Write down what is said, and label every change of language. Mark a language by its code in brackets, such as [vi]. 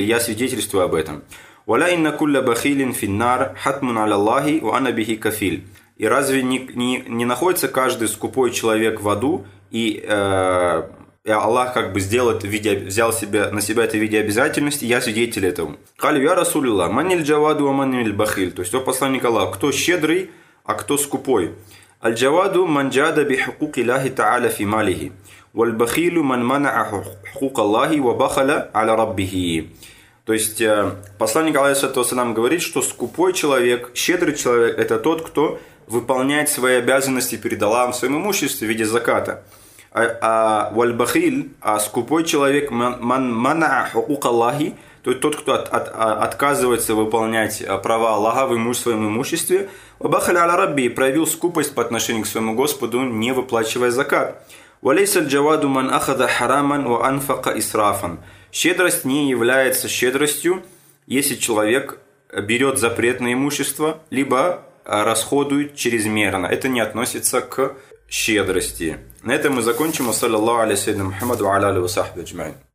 [ru] Я свидетельствую об этом. [ar] وَلَا إِنَّ كُلَّ بَخِيلٍ فِي النَّارِ حَتْمٌ عَلَى اللَّهِ وَأَنَا بِهِ كَفِيلٌ. [ru] И разве не находится каждый скупой человек в аду, и Аллах как бы сделал это в виде, взял себе, на себя это в виде обязательности, я свидетель этому. [ar] قَالُوا يَا رَسُولَ اللَّهِ مَنِ الْجَوَادُ وَمَنِ الْبَخِيلُ. [ru] То есть, о посланник Аллаха, кто щедрый, а кто скупой? [ar] الْجَوَادُ مَنْ جَادَ بِحُقُوقِ اللَّهِ تَعَالَى فِي مَالِهِ «Вальбахилю ман манаа хукук Аллахи ва бахала аля раббихи». [ru] То есть посланник Аллаха говорит, что скупой человек, щедрый человек – это тот, кто выполняет свои обязанности перед Аллахом в своем имуществе в виде заката. А скупой человек [ar] ман манаа хукук Аллахи, [ru] то есть тот, кто отказывается выполнять права Аллаха в своем имуществе, [ar] ва бахала аля раббихи, [ru] проявил скупость по отношению к своему Господу, не выплачивая закат. [ar] وليس الجواد من أخذ حراما وأنفق إسرافا. [ru] Щедрость не является щедростью, если человек берет запретное имущество, либо расходует чрезмерно. Это не относится к щедрости. На этом мы закончим. Саллаллаху алейхи ва саллям. Мухаммаду алейхи ва саллям.